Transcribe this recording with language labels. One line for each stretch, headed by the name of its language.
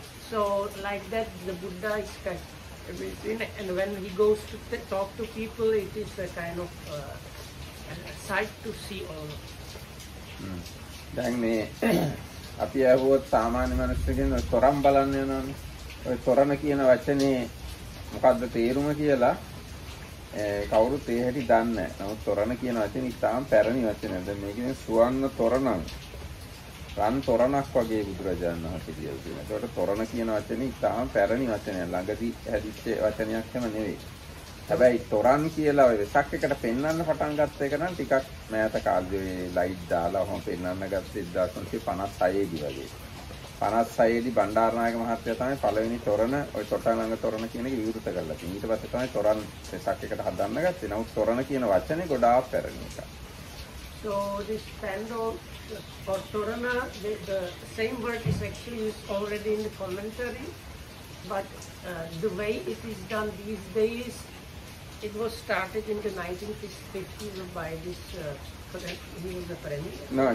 English: So like that, the Buddha is everything, and when he goes to talk to people, it is a kind of a sight to see all.
Sinhala: දැන් මේ අපි ඇහුවොත් සාමාන්‍ය මිනිස්සුගෙන් ඔය තොරන් බලන්න යනවනේ ඔය තොරණ කියන වචනේ මොකද්ද තේරුම කියලා කවුරුත් ඒ හැටි දන්නේ නැහැ. නමුත් තොරණ කියන වචනේ ඉතාම පැරණි වචනයක්. දැන් මේකෙන් සුවන්න තොරණ රන් තොරණක් වගේ බුදුරජාණන් වහන්සේ කියලා තියෙනවා. ඒකට තොරණ කියන වචනේ ඉතාම පැරණි වචනයක්. ළඟදී හැදිච්ච වචනයක් එම නෙවෙයි. හැබැයි තොරන් කියලා ඔය වෙසක් එකට පෙන්වන්න පටන් ගත්ත එක නම් ටිකක් මෑත කාලේ ලයිට් දාලා ඔහොම පෙන්වන්න ගත්ත 1956 දී වගේ. 56 දී බණ්ඩාරනායක මහත්තයා තමයි පළවෙනි තොරණ ඔය තොටා ළඟ තොරණ කියන එක විවෘත කරලා තියෙන්නේ. ඊට පස්සේ තමයි තොරන් වෙසක් එකට හදන්න ගත්තේ. නමුත් තොරණ කියන වචනේ ගොඩාක් පැරණි එකක්.
English: So this pandal or torana, the same word is actually used already in the commentary, but the way it is done these days, it was started in the 1950s by this he was the premier.